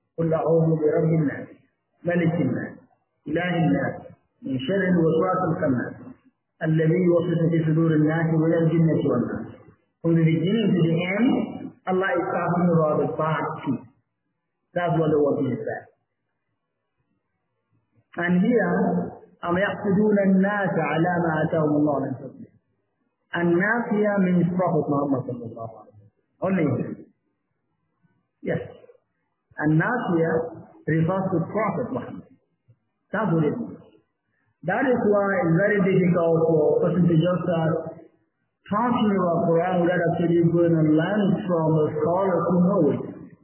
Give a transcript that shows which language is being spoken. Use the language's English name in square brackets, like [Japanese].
[Arabic] قُلْ أَعُوذُ بِرَبِّ النَّاسِ مَلِكِ النَّاسِ إِلَهِ النَّاسِ مِنْ شَرِّ الْوَسْوَاسِ الْخَنَّاسِ الَّذِي يُوَسْوِسُ فِي صُدُورِ النَّاسِ مِنَ الْجِنَّةِ وَالنَّاسِ. [English] From the beginning to the end, Allah is talking about the bad people. That's what the word is saying. And here, [Arabic] أَمْ يَحْسُدُونَ النَّاسَ عَلَى مَا آتَاهُمُ اللَّهُ مِنْ فَضْلِهِ. [English] النَّاسُ here means Prophet Muhammad [Arabic] صلى الله عليه وسلم. [English] Only him. Yes. النَّاسُ here refers to Prophet Muhammad. That's what it means. That is why it's very difficult for a person to just translate the Quran without actually going and learning from a scholar who knows it.